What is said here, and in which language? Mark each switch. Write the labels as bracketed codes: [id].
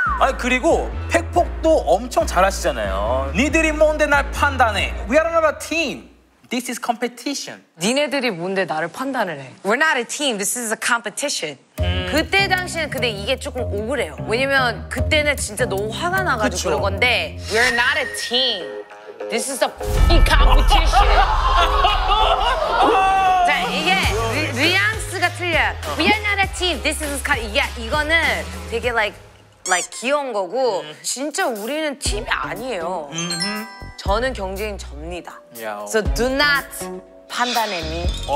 [ko] 아 그리고 팩폭도 엄청 잘하시잖아요. 니들이 뭔데 날 판단해. [en] We are not a team. This is competition. [ko] 니네들이 뭔데 나를 판단을 해. [en] We're not a team. This is a competition. [ko] 그때 당시에는 근데 이게 조금 억울해요. 왜냐면 그때는 진짜 너무 화가 나가지고 그쵸? 그런 건데 [en] We're not a team. This is a f***ing competition. [ko] 자 이게 뉘앙스가 틀려요. [en] We are not a team. This is a competition. [ko] 이거는 되게 like 귀여운 거고 진짜 우리는 팀이 아니에요. 저는 경쟁 접니다. [en] So do not [ko] 판단해 [en] me.